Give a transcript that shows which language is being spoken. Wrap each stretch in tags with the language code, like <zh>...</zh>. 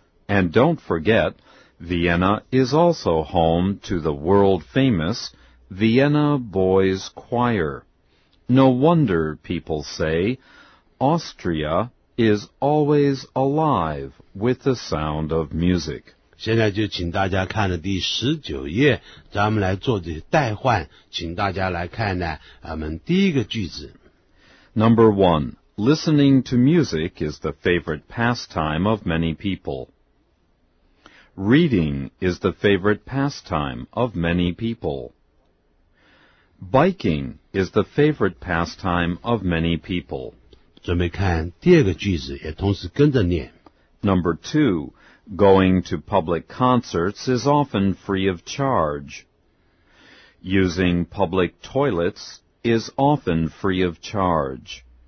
<en>And don't forget, Vienna is also home to the world-famous Vienna Boys Choir. No wonder people say, Austria is always alive with the sound of music.</en> <zh>现在就请大家看了第十九页，咱们来做这些代换，请大家来看呢，咱们第一个句子。</zh> <en>Number one, listening to music is the favorite pastime of many people. Reading is the favorite pastime of many people. Biking is the favorite pastime of many people.</en> <zh>准备看第二个句子，也同时跟着念。</zh> <en>Number two, going to public concerts is often free of charge. Using public toilets,is often free of charge.</en>